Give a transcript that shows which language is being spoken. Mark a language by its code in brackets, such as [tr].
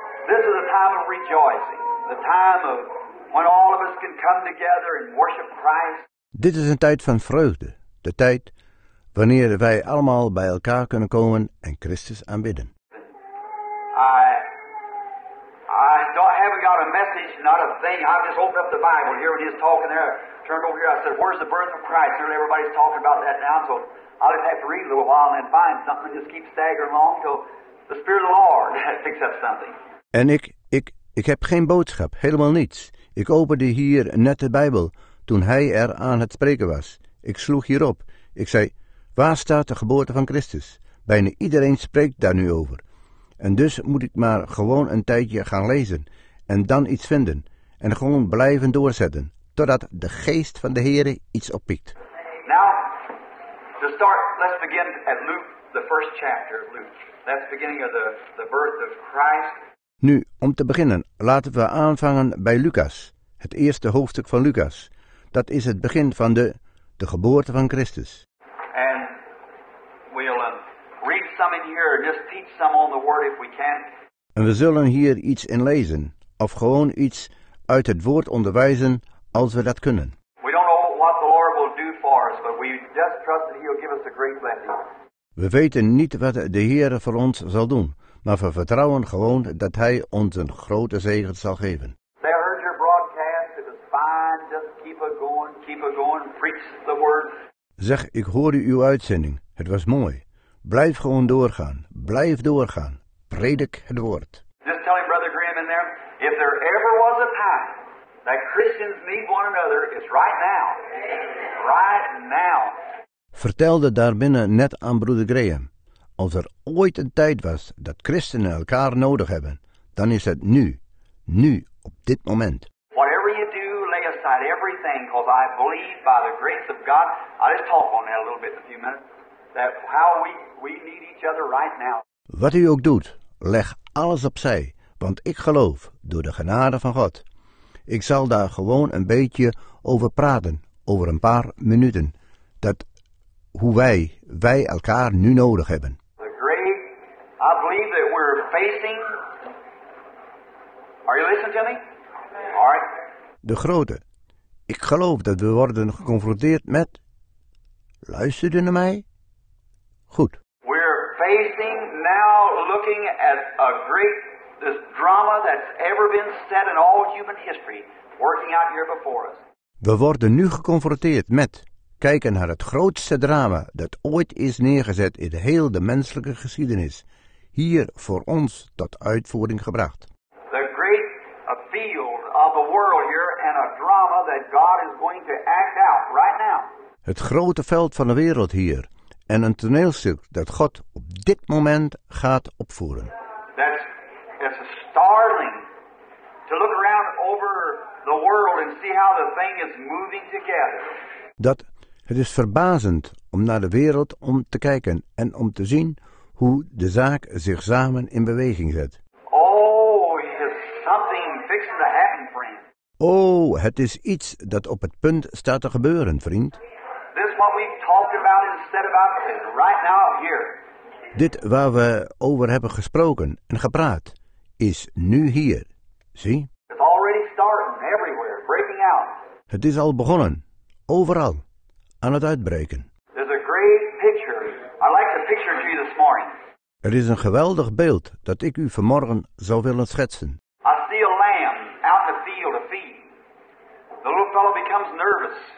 [en] This is a time of rejoicing. The time of when all of us can come together and worship Christ. [nl] Dit is een tijd van vreugde. De tijd wanneer wij allemaal bij elkaar kunnen komen en Christus aanbidden. [en] I haven't got a message, not a thing. I've just opened up the Bible here when he's talking there. Turned over here, I said, where's the birth of Christ? Here, everybody's talking about that now, so I'll just have to read a little while and then find something. Just keep staggering along till the Spirit of the Lord picks up something. [nl] En ik heb geen boodschap, helemaal niets. Ik opende hier net de Bijbel toen hij er aan het spreken was. Ik sloeg hierop. Ik zei, waar staat de geboorte van Christus? Bijna iedereen spreekt daar nu over. En dus moet ik maar gewoon een tijdje gaan lezen en dan iets vinden en gewoon blijven doorzetten. Totdat de geest van de Heere iets oppikt. [en] Now, to start, let's begin at Luke, the first chapter of Luke. That's the beginning of the birth of Christ. [nl] Nu, om te beginnen, laten we aanvangen bij Lucas. Het eerste hoofdstuk van Lucas. Dat is het begin van de geboorte van Christus. [en] And we'll read some in here, just teach some on the word if we can. [nl] En we zullen hier iets in lezen, of gewoon iets uit het woord onderwijzen, als we dat kunnen. [en] We don't know what the Lord will do for us, but we just trust that he'll give us a great blessing. [nl] We weten niet wat de Heere voor ons zal doen, maar we vertrouwen gewoon dat hij ons een grote zegen zal geven. [en] They heard your broadcast, it was fine, just keep it going, preach the word. [nl] Zeg, ik hoorde uw uitzending, het was mooi. Blijf gewoon doorgaan, blijf doorgaan, predik het woord. [en] Just tell him, Brother Graham in there, if there ever was a time that Christians need one another is right now. Right now. [nl] Vertelde daarbinnen net aan broeder Graham. Als er ooit een tijd was dat christenen elkaar nodig hebben, dan is het nu. Nu, op dit moment. [en] Whatever you do, lay aside everything, because I believe by the grace of God, I'll just talk on that a little bit in a few minutes, that how we need each other right now. [nl] Wat u ook doet, leg alles opzij, want ik geloof door de genade van God. Ik zal daar gewoon een beetje over praten, over een paar minuten, dat hoe wij elkaar nu nodig hebben. [en] The great, I believe that facing. Are you listening to me? All right. [nl] De grote. Ik geloof dat we worden geconfronteerd met. Luister je naar mij? Goed. [en] We're facing now looking at a great this drama that's ever been set in all human history, working out here before us. [nl] We worden nu geconfronteerd met. Kijken naar het grootste drama dat ooit is neergezet in heel de menselijke geschiedenis, hier voor ons tot uitvoering gebracht. [en] The great field of the world here and a drama that God is going to act out right now. [nl] Het grote veld van de wereld hier en een toneelstuk dat God op dit moment gaat opvoeren. [en] That's startling to look around over the world and see how the thing is moving together. [nl] Dat het is verbazend om naar de wereld om te kijken en om te zien hoe de zaak zich samen in beweging zet. [en] Oh, something fixing to happen, friend. [nl] Oh, het is iets dat op het punt staat te gebeuren, vriend. [en] This what we talked about and said about is right now here. [nl] Dit waar we over hebben gesproken en gepraat is nu hier. Zie? [en] It's already starting everywhere, breaking out. [nl] Het is al begonnen, overal. Aan het uitbreken. [en] There's a great picture. I like the picture to you this morning. [nl] Er is een geweldig beeld dat ik u vanmorgen zou willen schetsen. [en] I see a lamb out in the field to feed. The little fellow becomes nervous.